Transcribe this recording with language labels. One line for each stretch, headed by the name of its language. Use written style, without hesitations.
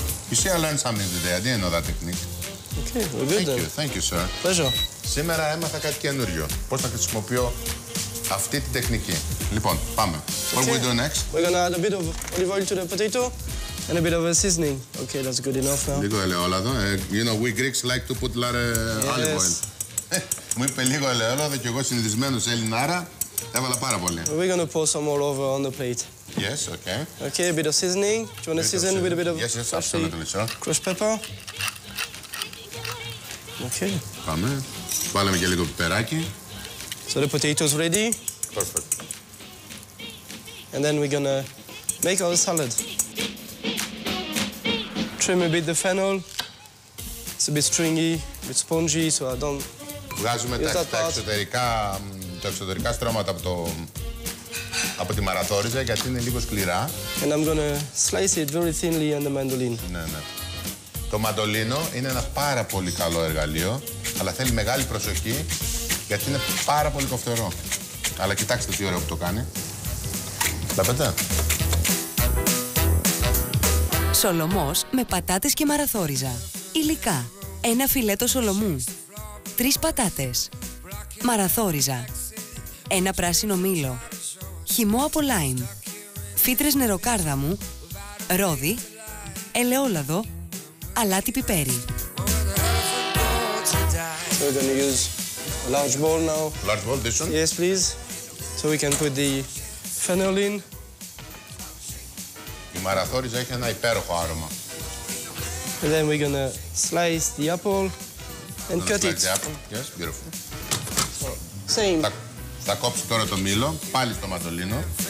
English: You see, I learned something today. I didn't know that technique. Okay, we're good then. Thank you, sir. Pleasure.
Greek: Σήμερα έμαθα κάτι καινούριο. Πώς θα χρησιμοποιώ αυτή την τεχνική. Λοιπόν, πάμε.
English: Okay. What we do next? We're gonna add a bit of olive oil to the potato and a bit of a seasoning. Okay, that's good enough now.
Greek: Λίγο ελαιόλαδο.
English: You know, we Greeks like to put a lot of olive oil.
Greek: Μου είπε λίγο ελαιόλαδο και εγώ συνηθισμένος Ελληνάρα. Έβαλα πάρα πολύ.
English: We're gonna pour some all over on the plate. Yes, okay. Okay, a bit of seasoning. Do you want to season with a bit of yes, yes, absolutely, sir. Crushed pepper. Okay.
Greek: Πάμε. Βάλαμε και λίγο πιπεράκι.
English: So the potato's ready. Perfect. And then we're gonna make our salad. Trim a bit the fennel. It's a bit stringy, a bit spongy, so I don't.
Greek: Βγάζουμε
English: use that
Greek: τα εξωτερικά. Τα εξωτερικά στρώματα από, το, από τη μαραθώριζα γιατί είναι λίγο σκληρά.
English: And I'm gonna slice it very thinly on the mandolin.
Greek: Ναι, ναι. Το μαντολίνο είναι ένα πάρα πολύ καλό εργαλείο, αλλά θέλει μεγάλη προσοχή γιατί είναι πάρα πολύ κοφτερό. Αλλά κοιτάξτε τι ωραίο που το κάνει. Τα πέτα. Σολομός με πατάτες και μαραθώριζα. Υλικά. Ένα φιλέτο σολομού. Τρεις πατάτες. Μαραθώριζα. Ένα πράσινο μήλο. Χυμό από λάιμ. Φύτρες νεροκάρδαμου. Ρόδι. Ελαιόλαδο. Αλάτι πιπέρι.
English: So we're gonna use a large bowl now. Large bowl, this one? Yes, please. So we can put the fennel in.
Greek: Η μαραθώριζα έχει ένα υπέροχο άρωμα.
English: And then we're gonna slice the apple and cut slice it. The apple. Yes, beautiful. Same.
Greek: Θα κόψω τώρα το μήλο, πάλι στο μαντολίνο.